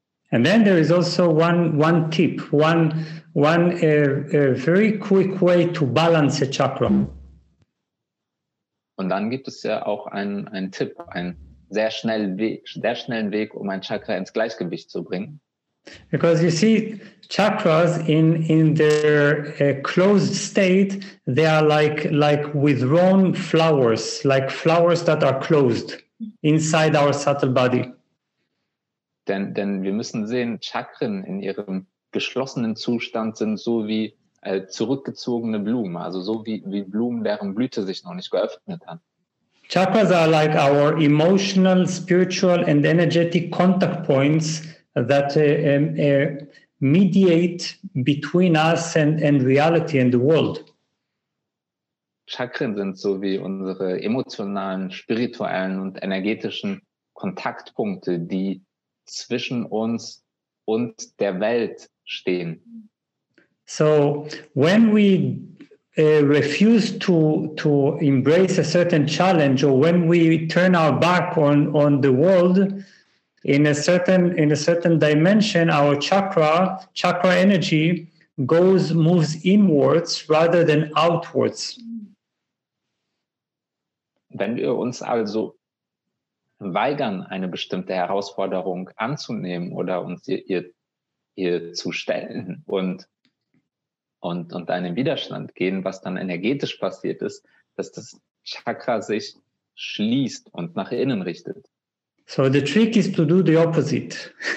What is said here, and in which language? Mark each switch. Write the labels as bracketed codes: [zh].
[en] And then there is also one tip, one very quick way to balance a chakra. [de] Und dann gibt es ja auch einen Tipp, einen sehr schnellen Weg, um ein Chakra ins Gleichgewicht zu bringen. [en] Because you see, chakras in their closed state, they are like withdrawn flowers, like flowers that are closed inside our subtle body. [de] Denn wir müssen sehen, Chakren in ihrem geschlossenen Zustand sind so wie zurückgezogene Blumen, also so wie Blumen, deren Blüte sich noch nicht geöffnet hat. [en] Chakras are like our emotional, spiritual and energetic contact points that mediate between us and reality and the world. [de] Chakren sind so wie unsere emotionalen, spirituellen und energetischen Kontaktpunkte, die zwischen uns und der Welt stehen. [en] So when we refuse to embrace a certain challenge or when we turn our back on the world, in a certain dimension, our chakra energy moves inwards rather than outwards. [de] Wenn wir uns also weigern, eine bestimmte Herausforderung anzunehmen oder uns ihr zu stellen und einen Widerstand gehen, was dann energetisch passiert ist, dass das Chakra sich schließt und nach innen richtet. [en] So the trick is to do the opposite.